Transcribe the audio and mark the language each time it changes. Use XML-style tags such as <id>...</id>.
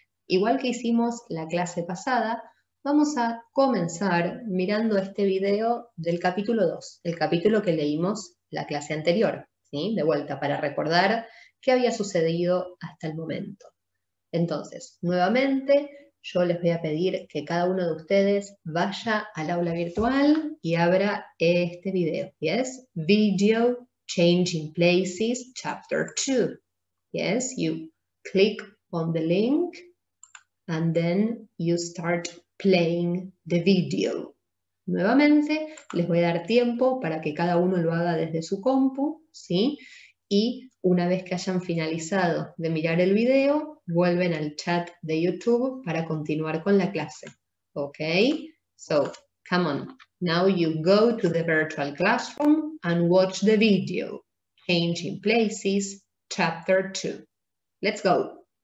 <es>Igual que hicimos la clase pasada, vamos a comenzar mirando este video del capítulo 2, el capítulo que leímos la clase anterior, ¿sí? De vuelta, para recordar qué había sucedido hasta el momento. Entonces, nuevamente, yo les voy a pedir que cada uno de ustedes vaya al aula virtual y abra este video.</es> <en>Yes, video Changing Places, Chapter 2. Yes, you click on the link and then you start playing the video.</en> <es>Nuevamente, les voy a dar tiempo para que cada uno lo haga desde su compu, ¿sí? Y una vez que hayan finalizado de mirar el video, vuelven al chat de YouTube para continuar con la clase.</es> <en>Ok, so come on. Now you go to the virtual classroom and watch the video. Changing Places, Chapter 2. Let's go.</en>